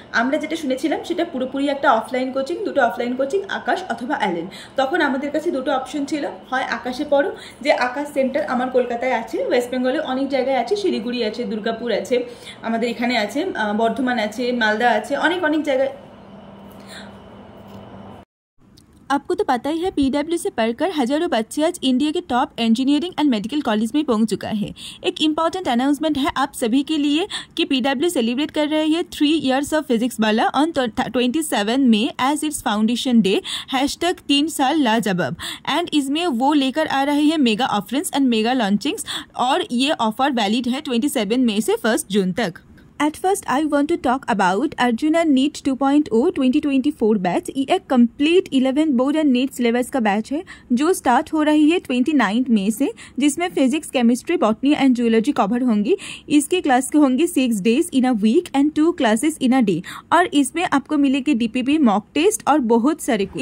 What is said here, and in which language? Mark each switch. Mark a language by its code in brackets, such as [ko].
[bn] আমরা যেটা শুনেছিলাম সেটা পুরোপুরি একটা অফলাইন কোচিং, দুটো অফলাইন কোচিং, আকাশ অথবা অ্যালেন। তখন আমাদের কাছে দুটো অপশন ছিল, হয় আকাশে পড়ো, যে আকাশ সেন্টার আমার কলকাতায় আছে, ওয়েস্ট বেঙ্গলে অনেক জায়গায় আছে, শিলিগুড়ি আছে, দুর্গাপুর আছে, আমাদের এখানে আছে, বর্ধমান আছে, মালদা আছে, অনেক অনেক জায়গায়। [hi] आपको तो पता ही है पीडब्ल्यू से पढ़कर हजारों बच्चे आज इंडिया के top engineering and medical college में पहुंच चुका है। एक इम्पॉर्टेंट अनाउंसमेंट है आप सभी के लिए कि पीडब्ल्यू सेलिब्रेट कर रहे हैं [en] 3 years of physics वाला on 27 May as its foundation day, [hi] hashtag 3 साल लाजवाब। एंड इसमें वो लेकर आ रहे हैं मेगा ऑफरेंस एंड मेगा लॉन्चिंग्स, और ये ऑफर वैलिड है 27 मे से 1 जून तक। [en] At first, I want to talk about Arjuna NEET 2.0 2024 batch. [hi] ये एक complete 11 board and NEET syllabus का batch है जो start हो रही है 29 मई से, जिसमें physics, chemistry, botany and zoology cover होंगी। इसकी क्लास को होंगी [en] 6 days in a week and 2 classes in a day, [hi] और इसमें आपको मिलेगी DPP, mock test और बहुत सारे कुछ